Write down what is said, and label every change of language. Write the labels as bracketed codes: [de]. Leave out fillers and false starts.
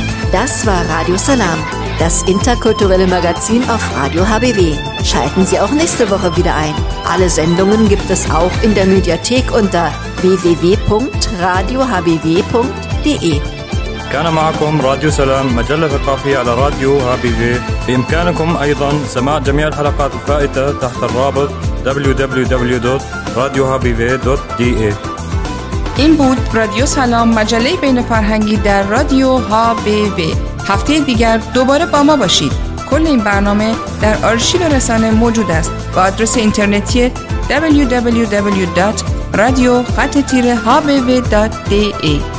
[de] Das war Radio Salam, das interkulturelle Magazin auf Radio HBW. Schalten Sie auch nächste Woche wieder ein. Alle Sendungen gibt es auch in der Mediathek unter www.radiohbw.de. [ar] كان معكم راديو سلام مجلة ثقافية على راديو HBW بإمكانكم أيضا سماع جميع الحلقات الفائتة تحت الرابط www.radiohbw.de [fa] این بود رادیو سلام، مجله بین فرهنگی در رادیو ها بی بی. هفته دیگر دوباره با ما باشید. کل این برنامه در آرشیو رسانه موجود است با آدرس اینترنتی www.radio-hbw.de.